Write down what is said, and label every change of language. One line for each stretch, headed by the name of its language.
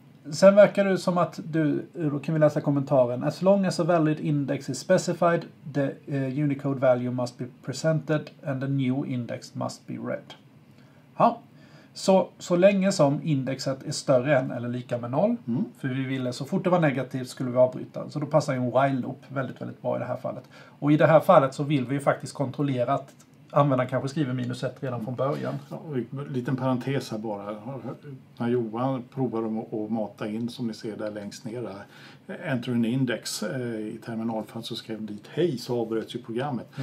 Swedish: Sen verkar det som att då kan vi läsa kommentaren.
English: As long as a valid index is specified, the Unicode value must be presented and the new index must be read.
Swedish: Så länge som indexet är större än eller lika med 0, för vi ville så fort det var negativt skulle vi avbryta. Så då passar ju en while loop väldigt, väldigt bra i det här fallet. Och i det här fallet så vill vi ju faktiskt kontrollera att användaren kanske skriver minus 1 redan från början. Ja, liten parentes här bara. När Johan provar att mata in, som ni ser där längst ner, där,
English: enter an index
Swedish: i terminalfönstret, så skrev dit hej, så avbröts ju programmet.